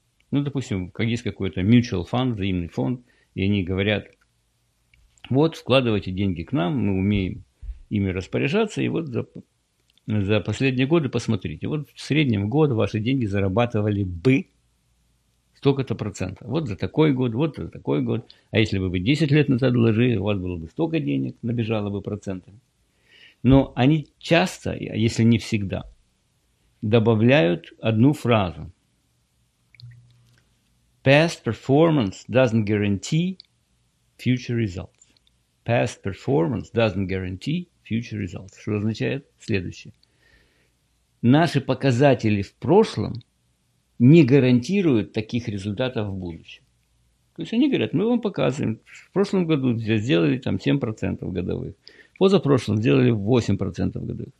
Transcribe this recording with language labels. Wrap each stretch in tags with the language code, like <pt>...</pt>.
<ru>Ну, допустим, как есть какой-то mutual fund, взаимный фонд, и они говорят, вот, вкладывайте деньги к нам, мы умеем ими распоряжаться, и вот за последние годы посмотрите, вот в среднем год ваши деньги зарабатывали бы столько-то процентов. Вот за такой год, вот за такой год. А если бы вы 10 лет назад вложили, у вас было бы столько денег, набежало бы процентами. Но они часто, если не всегда, добавляют одну фразу.</ru> <en>Past performance doesn't guarantee future results. Past performance doesn't guarantee future results.</en> <ru>Что означает следующее. Наши показатели в прошлом не гарантируют таких результатов в будущем. То есть они говорят, мы вам показываем, в прошлом году сделали там 7% годовых, позапрошлом сделали 8% годовых.</ru>